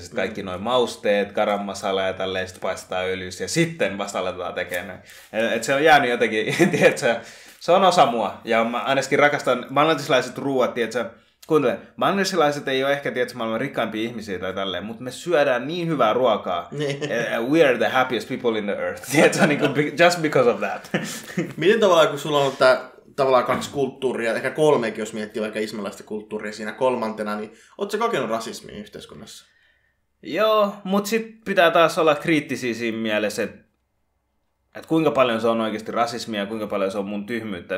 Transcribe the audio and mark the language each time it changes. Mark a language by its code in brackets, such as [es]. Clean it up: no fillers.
[fi] Sitten kaikki noin mausteet, garam masala ja tälleen, sitten paistetaan öljyssä ja sitten vasta aletaan tekemään. Että se on jäänyt jotenkin, tietä? Se on osa mua. Ja mä ainakin rakastan bangladesilaiset ruuat, tietä? Kuuntelen, bangladesilaiset ei ole ehkä tietä, maailman rikkaimpia ihmisiä tai tälleen, mutta me syödään niin hyvää ruokaa. [en] We are the happiest people in the earth, [fi] tietä? [en] Just because of that. [fi] Miten tavallaan, kun sulla on tää... Tavallaan kaksi kulttuuria, ehkä kolmeekin, jos miettii vaikka ismailaista kulttuuria siinä kolmantena, niin ootko kokenut rasismia yhteiskunnassa? Joo, mutta sitten pitää taas olla kriittisiä siinä mielessä, että kuinka paljon se on oikeasti rasismia ja kuinka paljon se on mun tyhmyyttä.